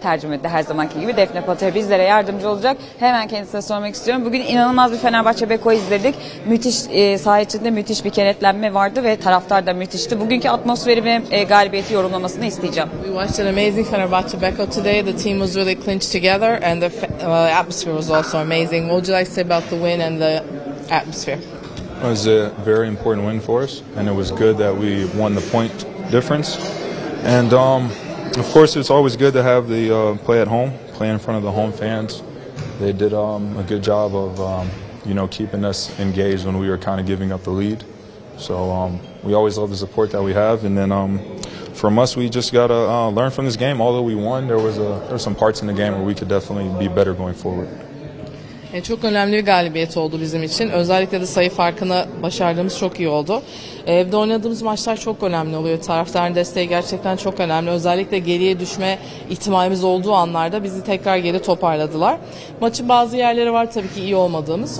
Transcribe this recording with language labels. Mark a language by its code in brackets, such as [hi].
[tr] Tercümede her zamanki gibi Defne Patır bizlere yardımcı olacak. Hemen kendisine sormak istiyorum. Bugün inanılmaz bir Fenerbahçe Beko izledik. Müthiş, saha içinde müthiş bir kenetlenme vardı ve taraftar da müthişti. Bugünkü atmosferi ve galibiyeti yorumlamasını isteyeceğim. [en] We watched an amazing Fenerbahçe Beko today. The team was really clinched together and the atmosphere was also amazing. What would you like to say about the win and the atmosphere? It was a very important win for us and it was good that we won the point difference. And of course it's always good to have the play at home, play in front of the home fans. They did a good job of you know, keeping us engaged when we were kind of giving up the lead. So we always love the support that we have. And then from us, we just got to learn from this game. Although we won, there were some parts in the game where we could definitely be better going forward. [tr] Çok önemli bir galibiyet oldu bizim için. Özellikle de sayı farkını başardığımız çok iyi oldu. Evde oynadığımız maçlar çok önemli oluyor. Taraftarın desteği gerçekten çok önemli. Özellikle geriye düşme ihtimalimiz olduğu anlarda bizi tekrar geri toparladılar. Maçın bazı yerleri var tabii ki iyi olmadığımız.